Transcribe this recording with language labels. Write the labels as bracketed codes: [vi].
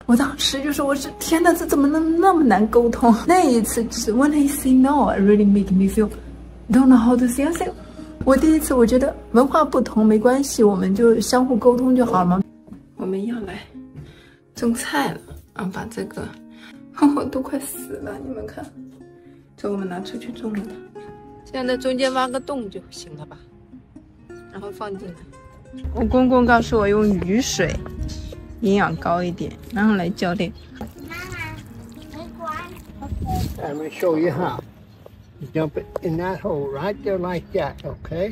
[zh] 我当时就说，我是天哪，这怎么能那么难沟通？那一次就是 [en] when I say no, it really make me feel don't know how to say it。 [zh] 我第一次我觉得文化不同没关系，我们就相互沟通就好了吗？我们要来种菜了啊！把这个，我都快死了，你们看，这我们拿出去种了的。现在中间挖个洞就行了吧？然后放进来。我公公告诉我用雨水。营养高一点，然后来浇点。妈妈，没关。 [en] I'm gonna show you how. Dump it in that hole right there like that, okay?